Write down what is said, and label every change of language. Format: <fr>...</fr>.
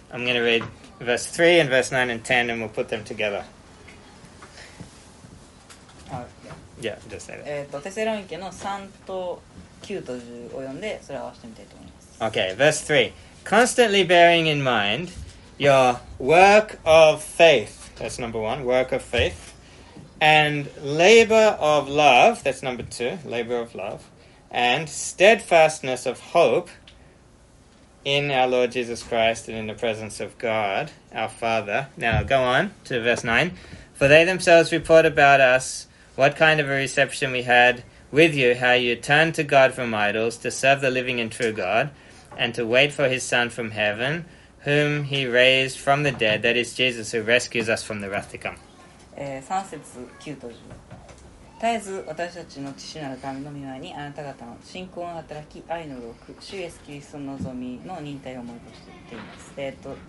<en>I'm going to read verse 3 and verse 9 and 10 and we'll put them together. Just say that.</en> <ja>テセロニケの3と9と10を読んでそれを合わせてみたいと思います。</ja> <en>Okay, verse 3. Constantly bearing in mind your work of faith. That's number one, work of faith. And labor of love, that's number two, labor of love, and steadfastness of hope in our Lord Jesus Christ and in the presence of God, our Father. Now go on to verse 9. For they themselves report about us what kind of a reception we had with you, how you turned to God from idols to serve the living and true God and to wait for his Son from heaven, whom he raised from the dead, that is Jesus who rescues us from the wrath to come.</en> <ja>3節9と10。絶えず私たちの父なる神の御前にあなた方の信仰の働き、愛の労苦、主イエスキリストの望みの忍耐を思い起こしています。</ja>